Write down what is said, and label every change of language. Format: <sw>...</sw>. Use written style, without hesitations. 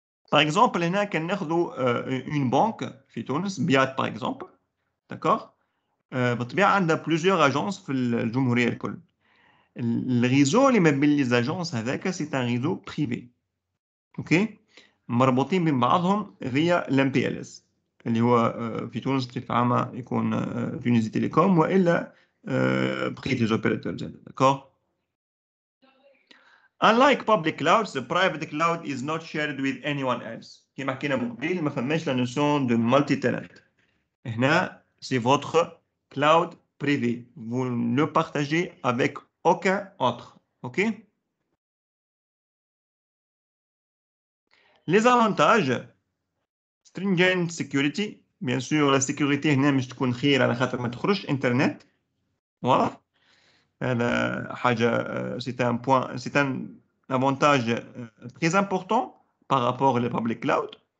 <fr>Par exemple, là, quand on prend une banque en Tunis, Biat par exemple, d'accord, on a plusieurs agences dans la Jumhuriya. Le réseau qui mobilise les agences avec, c'est un réseau privé. OK?</fr> <ar>مربوطين بين بعضهم</ar> <fr>via l'MPLS.</fr> <ar>اللي هو في تونس تفعما يكون تونسي تيليكوم والا بقيه الاوبريتور</ar> <fr>d'accord.</fr> <en>Unlike public clouds, the private cloud is not shared with anyone else.</en> <ar>كما حكينا مقبل ما فماش لا نوسيون دو مالتي تينانت. هنا</ar> <fr>سي فوتر كلاود بريفي. Vous ne partagez avec aucun autre. OK? Les avantages:</fr> <en>stringent security.</en> <fr>Bien sûr, la sécurité</fr> <ar>هنا مش تكون خير على خاطر ما تخرجش انترنت.</ar> <fr>Voilà. C'est un avantage très important par rapport au public cloud.</fr>